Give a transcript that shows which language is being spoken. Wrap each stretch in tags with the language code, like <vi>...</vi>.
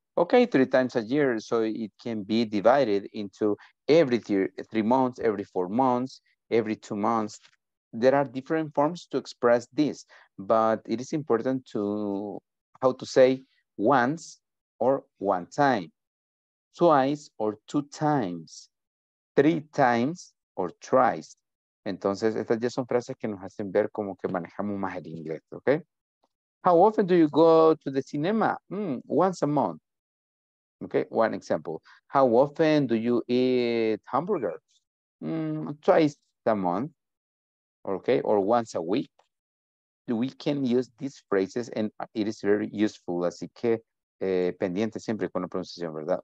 <en>Okay, three times a year. So it can be divided into every 3 months, every 4 months, every 2 months. There are different forms to express this, but it is important to how to say once or one time, twice or two times, three times or thrice.</en> <es>Entonces, estas ya son frases que nos hacen ver como que manejamos más el inglés, ¿ok?</es> <en>How often do you go to the cinema? Once a month. Okay, one example. How often do you eat hamburgers? Twice a month. Okay, or once a week. We can use these phrases and it is very useful.</en> <es>Así que, pendiente siempre con la pronunciación, ¿verdad?</es>